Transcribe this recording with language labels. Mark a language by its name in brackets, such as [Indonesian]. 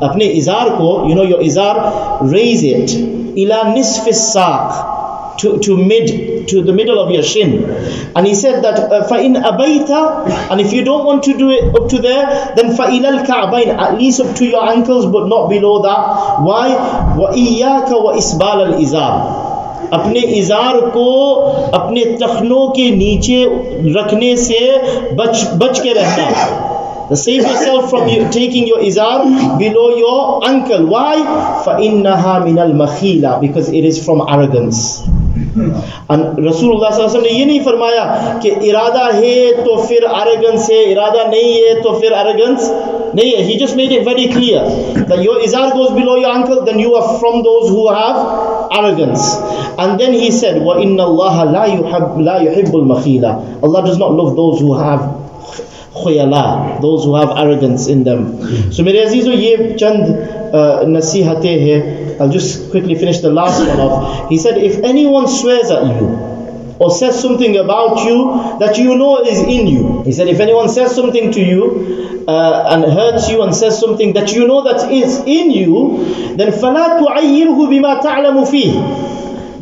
[Urdu] Apne izar ko, [English] you know your izar, raise it [Arabic] ila nisf saq, [English] to the middle of your shin. And he said that [Arabic] fa in abaita, [English] and if you don't want to do it up to there, then [Arabic] fa ilal ka'bain, [English] at least up to your ankles but not below that. Why? [Arabic] Wa iyyaka wa isbal al izar. [Urdu] اپنے ازار کو اپنے تخنوں کے نیچے رکھنے سے بچ کے رہنا ہے. [English] Save yourself from taking your izar below your ankle. Why? [Arabic] فَإِنَّهَا مِنَ الْمَخِيلَ. [English] Because it is from arrogance. And Rasulullah [Urdu] صلی اللہ علیہ وسلم نے یہ نہیں فرمایا کہ ارادہ ہے تو پھر [English] arrogance [Urdu] ہے, ارادہ نہیں ہے تو پھر [English] arrogance [Urdu] نہیں ہے. [English] He just made it very clear that your izar goes below your ankle, then you are from those who have arrogance. And then he said, [Arabic] وَإِنَّ اللَّهَ لَا يُحِبُّ الْمَخِيلَ. [English] Allah does not love those who have خیالہ, those who have arrogance in them. [Urdu] So میرے عزیزو یہ چند نصیحتیں ہیں. [English] I'll just quickly finish the last one off. He said, if anyone swears at you or says something about you that you know is in you, he said, if anyone says something to you and hurts you and says something that you know that is in you, then [Arabic] فَلَا تُعَيِّرْهُ بِمَا تَعْلَمُ فِيهِ.